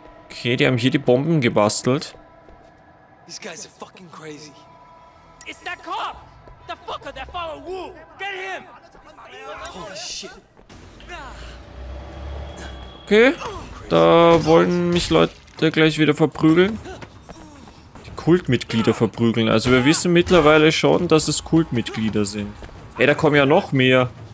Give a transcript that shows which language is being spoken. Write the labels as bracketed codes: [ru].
[de] Okay, die haben hier die Bomben gebastelt. [en] These guys are fucking crazy. It's that cop! The fucker that followed Wu! Get him! Holy shit! [de] Okay, da wollen mich Leute gleich wieder verprügeln. Die Kultmitglieder verprügeln. Also wir wissen mittlerweile schon, dass es Kultmitglieder sind. Ey, da kommen ja noch mehr.